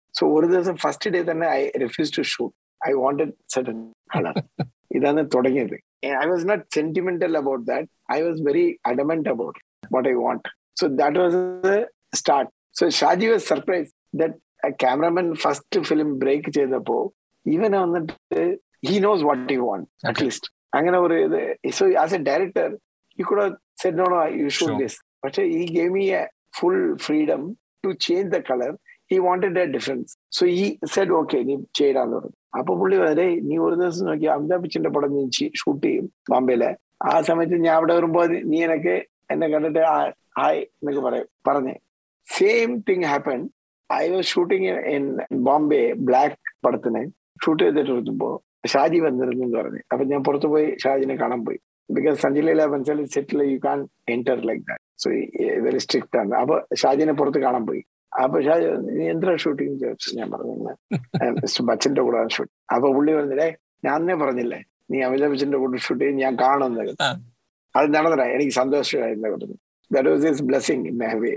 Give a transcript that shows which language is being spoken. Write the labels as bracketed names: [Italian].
[English] So ഒരു ദിവസം first day തന്നെ I refuse to shoot, I wanted certain colour. [Malayalam] ഇതാണ് തുടങ്ങിയത്. [English] I was not sentimental about that, I was very adamant about what I want. So that was the start. So Shaji was surprise that cameraman first film break [Malayalam] ചെയ്തപ്പോ ഇവനെ വന്നിട്ട് [English] he knows what he wants, okay. at least. So as a director, he could have said, no, you shoot sure. this. But he gave me a full freedom to change the color. He wanted a difference. So he said, okay, you change it. [Malayalam] അപ്പൊള്ളി വരെ നീ ഒരു ദിവസം നോക്കി അമിതാഭ് ബച്ചന്റെ പടം നീ shoot ചെയ്യും ബോംബെയിലെ ആ സമയത്ത് ഞാൻ അവിടെ വരുമ്പോ നീ എനക്ക് എന്നെ കണ്ടിട്ട് ഹായ് എന്നൊക്കെ പറഞ്ഞേ [English] same thing happen [Malayalam] I was shooting in Bombay black പടത്തിന് ഷൂട്ട് ചെയ്തിട്ടിരുന്നപ്പോ ഷാജി വന്നിരുന്നു പറഞ്ഞു അപ്പൊ ഞാൻ പുറത്തു പോയി ഷാജിനെ കാണാൻ പോയി [English] because Sanjay Leela Bhansali സെറ്റിൽ you can enter like that so very strict [Malayalam] ആണ് അപ്പൊ ഷാജിനെ പുറത്ത് കാണാൻ പോയി അപ്പൊ ഷാജി എന്താ ഷൂട്ടിങ് ചോദിച്ചു ഞാൻ പറഞ്ഞു മിസ്റ്റർ ബച്ചന്റെ കൂടെ ഷൂട്ട് അപ്പൊ പുള്ളി പറഞ്ഞില്ലേ ഞാൻ തന്നെ പറഞ്ഞില്ലേ നീ അമിതാഭ് ബച്ചന്റെ കൂടെ ഷൂട്ട് ചെയ്യും ഞാൻ കാണുന്നത് അത് നടന്നടാ എനിക്ക് സന്തോഷം